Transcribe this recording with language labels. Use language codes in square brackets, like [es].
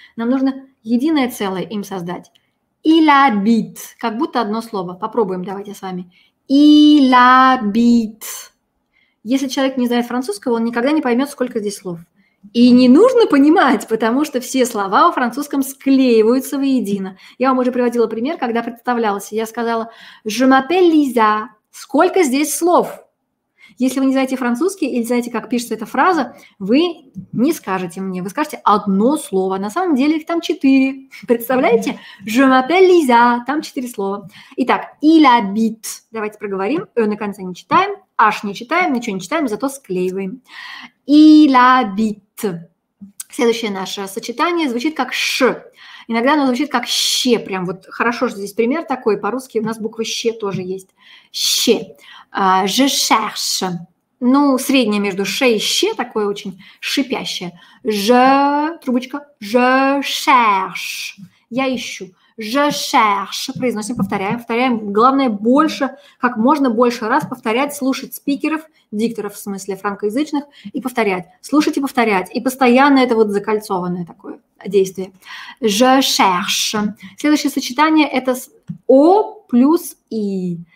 [ru] Нам нужно единое целое им создать. Илабит. Как будто одно слово. Попробуем давайте с вами. Илабит. Если человек не знает французского, он никогда не поймет, сколько здесь слов. И не нужно понимать, потому что все слова во французском склеиваются воедино. Я вам уже приводила пример, когда представлялась. [fr] Я сказала «Je m'appelle Lisa». [ru] Сколько здесь слов? Если вы не знаете французский или знаете, как пишется эта фраза, вы не скажете мне, вы скажете одно слово. На самом деле их там четыре. Представляете? [fr] «Je m'appelle Lisa». [ru] Там четыре слова. [fr] Итак, «il habite». [ru] Давайте проговорим. «Э» на конце не читаем. «H» не читаем, ничего не читаем, зато склеиваем. [fr] «Il habite». [ru] Следующее наше сочетание звучит как «ш». Иногда оно звучит как «ще». Прям вот хорошо, что здесь пример такой. По-русски у нас буква «ще» тоже есть. [fr] «Ще». «Je cherche». [ru] Ну, среднее между «ше» и «ще» такое очень шипящее. [fr] «Je», трубочка, «je cherche». [ru] «Я ищу». [fr] «Je cherche». [ru] Произносим, повторяем. Повторяем. Главное больше, как можно больше раз повторять, слушать спикеров, дикторов, в смысле франкоязычных, и повторять. Слушать и повторять. И постоянно это вот закольцованное такое действие. [fr] «Je cherche». [ru] Следующее сочетание – это «о» плюс «и».